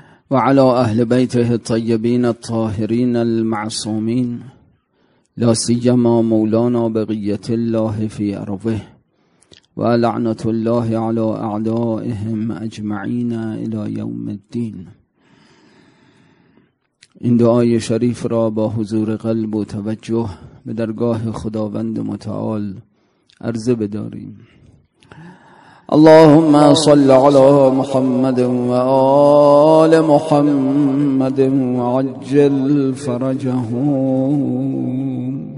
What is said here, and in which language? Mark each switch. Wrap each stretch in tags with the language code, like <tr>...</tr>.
<ar>وعلى أهل بيته الطيبين الطاهرين المعصومين، لا سيما مولانا بقية الله في أرضه، ولعنة الله على أعدائهم أجمعين إلى يوم الدين.</ar> <fa>إن دعاي شريف را با حضور قلب و توجه به درگاه خداوند متعال عرضه بداریم.</fa> <ar>اللهم صل على محمد وآل محمد وعجل فرجهم.</ar>